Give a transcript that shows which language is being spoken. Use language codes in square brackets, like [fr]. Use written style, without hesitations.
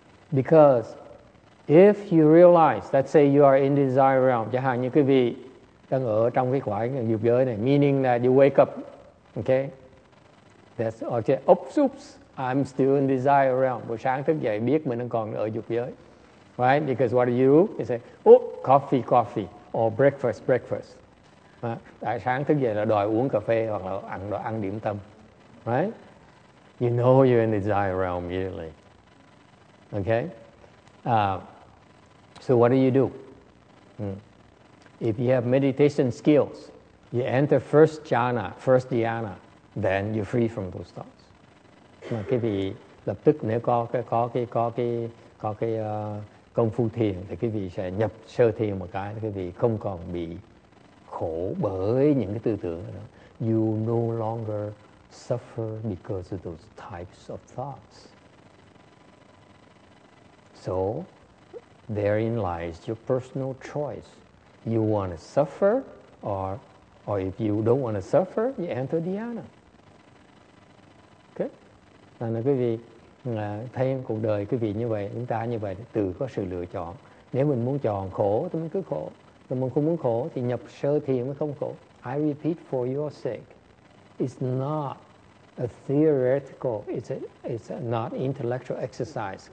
[en] Because if you realize, let's say you are in the desire realm, [vi] chẳng hạn như quý vị đang ở trong cái quả dục giới này, [en] meaning that you wake up, okay? That's okay. Oops, oops, I'm still in desire realm. [vi] Buổi sáng thức dậy biết mình đang còn ở dục giới. [en] Right? Because what do you do? You say, oh, coffee, coffee. Or breakfast, breakfast. [vi] Tại sáng thức dậy là đòi uống cà phê hoặc là ăn điểm tâm. [en] Right? You know you're in the desire realm immediately. Okay? So what do you do? If you have meditation skills, you enter first jhana, first dhyana, then you're free from those thoughts. [vi] Mà quý vị lập tức nếu có cái công phu thiền thì quý vị sẽ nhập sơ thiền một cái, quý vị không còn bị khổ bởi những cái tư tưởng nữa. [en] You no longer suffer because of those types of thoughts. So therein lies your personal choice. You want to suffer, or if you don't want to suffer, you enter dhyana. Okay? [vi] Nên là quý vị thấy cuộc đời quý vị như vậy, chúng ta như vậy, tự có sự lựa chọn. Nếu mình muốn chọn khổ, thì mình cứ khổ. Nếu mình không muốn khổ, thì nhập sơ thiền mới không khổ. [en] I repeat for your sake. It's not a theoretical, it's not intellectual exercise.